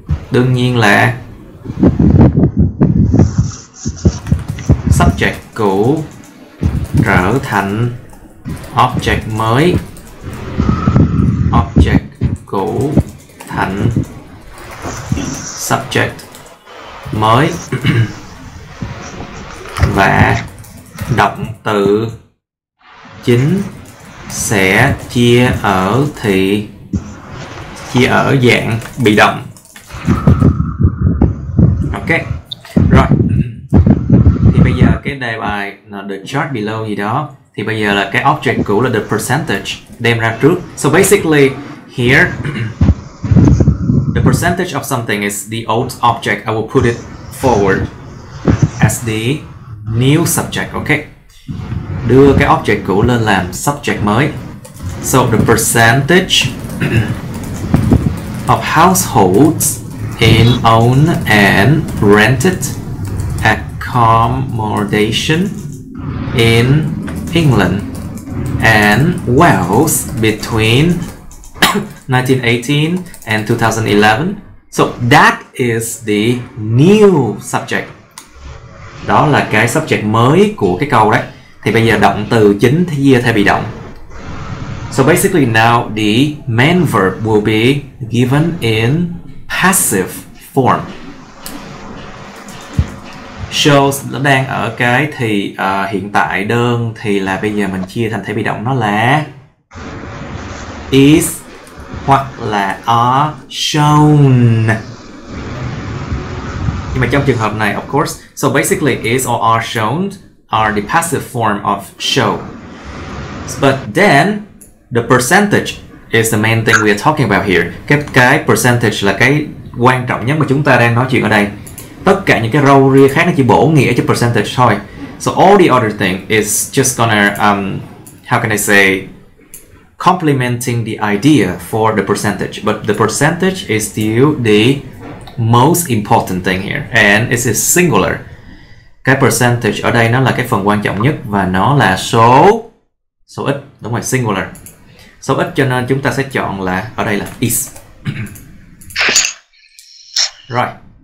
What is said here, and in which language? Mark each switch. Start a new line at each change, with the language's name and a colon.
Vietnamese: Đương nhiên là subject cũ trở thành object mới, object cũ thành subject mới, và động từ chính sẽ chia ở dạng bị động. Ok, rồi thì bây giờ cái đề bài là
English: the chart below
Vietnamese: gì đó, thì bây giờ là cái object cũ là the percentage đem ra trước.
English: So basically here the percentage of something is the old object. I will put it forward as the new subject.
Vietnamese: Ok, đưa cái object cũ lên làm subject mới.
English: So the percentage of households in owned and rented accommodation in England and Wales between 1918 and 2011. So that is the new subject.
Vietnamese: Đó là cái subject mới của cái câu đấy. Thì bây giờ động từ chính chia thay bị động.
English: So basically now the main verb will be given in passive form.
Vietnamese: Shows nó đang ở cái thì hiện tại đơn, thì là bây giờ mình chia thành thể bị động, nó là is hoặc là are shown. Nhưng mà trong trường hợp này,
English: of course, so basically is or are shown are the passive form of show. But then the percentage is the main thing we are talking about here.
Vietnamese: Cái percentage là cái quan trọng nhất mà chúng ta đang nói chuyện ở đây. Tất cả những cái râu ria khác nó chỉ bổ nghĩa cho percentage thôi.
English: So all the other thing is just gonna, how can I say, complementing the idea for the percentage. But the percentage is still the most important thing here. And it is singular.
Vietnamese: Cái percentage ở đây nó là cái phần quan trọng nhất, và nó là số ít, đúng rồi, singular. Số ít cho nên chúng ta sẽ chọn là ở đây là is. Right.